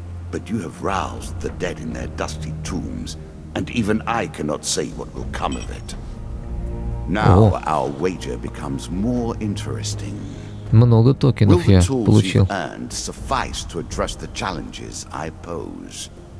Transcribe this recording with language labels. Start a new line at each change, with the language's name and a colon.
English: But you have roused the dead in their dusty tombs, and even I cannot say what will come of it. Now our wager becomes more interesting.
Russian: Много токенов я получил.
English: And suffice to address the challenges I pose.